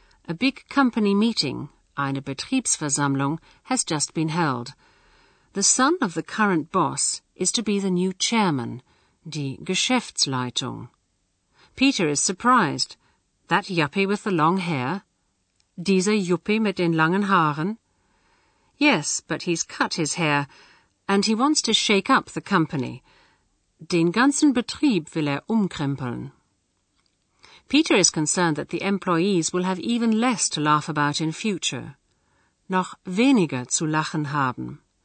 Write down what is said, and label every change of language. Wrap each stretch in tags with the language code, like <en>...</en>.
<en>A big company meeting,</en> <de>eine Betriebsversammlung,</de> <en>has just been held. The son of the current boss is to be the new chairman,</en> <de>die Geschäftsleitung.</de> <en>Peter is surprised. That yuppie with the long hair?</en> <de>Dieser Yuppie mit den langen Haaren?</de> <en>Yes, but he's cut his hair, and he wants to shake up the company.</en> <de>Den ganzen Betrieb will umkrempeln.</de> <en>Peter is concerned that the employees will have even less to laugh about in future.</en> <de>Noch weniger zu lachen haben.</de>